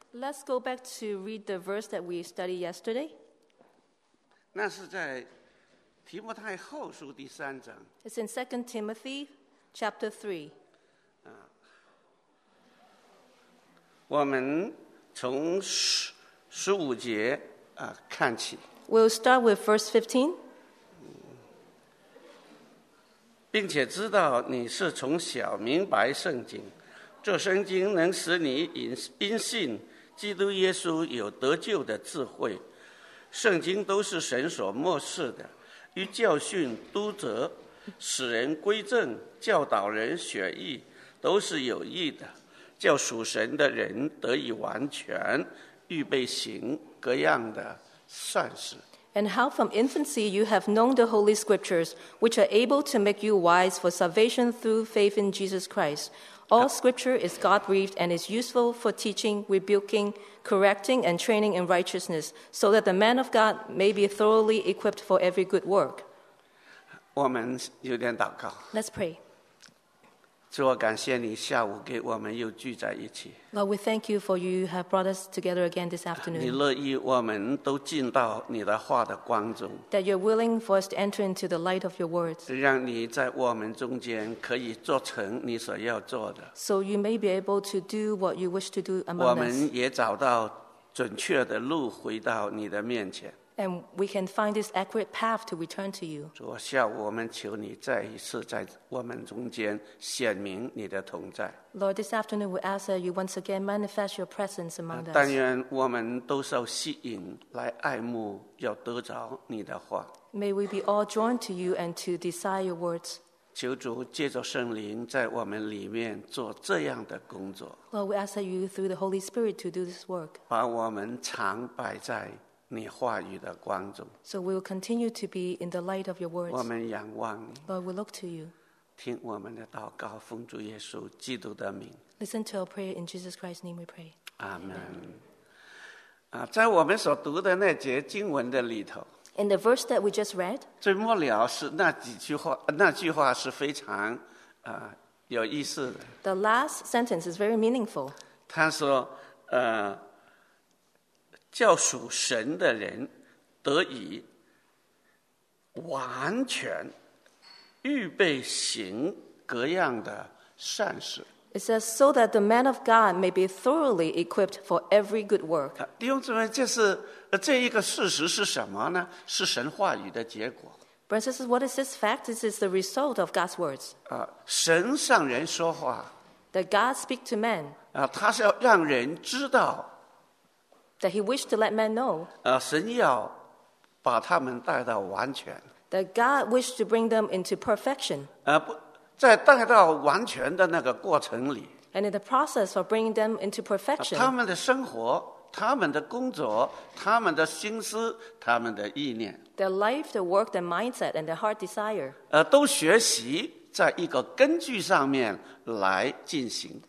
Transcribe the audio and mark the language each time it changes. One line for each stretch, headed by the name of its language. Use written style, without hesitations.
English: Let's go back to read the verse that we studied yesterday.
Chinese: 那是在提摩太后书第三章。
English: It's in 2 Timothy chapter 3.
Chinese: 我们从十五节看起。
English: We'll start with verse 15.
Chinese: 并且知道你是从小明白圣经，这圣经能使你因信基督耶稣有得救的智慧。圣经都是神所默示的，与教训、督责、使人归正、教导人选义，都是有益的，叫属神的人得以完全，预备行各样的善事。
English: And how from infancy you have known the holy scriptures, which are able to make you wise for salvation through faith in Jesus Christ. All scripture is God-breathed and is useful for teaching, rebuking, correcting, and training in righteousness, so that the man of God may be thoroughly equipped for every good work.
Chinese: 我们有点祷告。
English: Let's pray.
Chinese: 主，我感谢你下午给我们又聚在一起。
English: Lord, we thank you for you have brought us together again this afternoon.
Chinese: 你乐意我们都进到你的话的光中。
English: That you're willing for us to enter into the light of your words.
Chinese: 让你在我们中间可以做成你所要做的。
English: So you may be able to do what you wish to do among us.
Chinese: 我们也找到准确的路回到你的面前。
English: And we can find this accurate path to return to you.
Chinese: 主，下午我们求你再一次在我们中间显明你的同在。
English: Lord, this afternoon we ask that you once again manifest your presence among us.
Chinese: 但愿我们都受吸引来爱慕，要得着你的话。
English: May we be all drawn to you and to desire your words.
Chinese: 求主借着圣灵在我们里面做这样的工作。
English: Lord, we ask that you through the Holy Spirit to do this work.
Chinese: 把我们常摆在你话语的光中。
English: So we will continue to be in the light of your words.
Chinese: 我们仰望你。
English: Lord, we look to you.
Chinese: 听我们的祷告，奉主耶稣基督的名。
English: Listen to our prayer in Jesus Christ's name we pray. Amen.
Chinese: 在我们所读的那节经文的里头。
English: In the verse that we just read.
Chinese: 最末了是那几句话，那句话是非常有意思的。
English: The last sentence is very meaningful.
Chinese: 他说叫属神的人得以完全预备行各样的善事。
English: It says so that the man of God may be thoroughly equipped for every good work.
Chinese: 弟兄姊妹，这一个事实是什么呢？是神话语的结果。
English: Brothers, what is this fact? This is the result of God's words.
Chinese: 神向人说话。
English: That God speaks to man.
Chinese: 他是要让人知道。
English: That he wished to let men know.
Chinese: 神要把他们带到完全。
English: That God wished to bring them into perfection.
Chinese: 在带到完全的那个过程里。
English: And in the process of bringing them into perfection.
Chinese: 他们的生活，他们的工作，他们的心思，他们的意念。
English: Their life, their work, their mindset, and their heart desire.
Chinese: 都学习在一个根据上面来进行。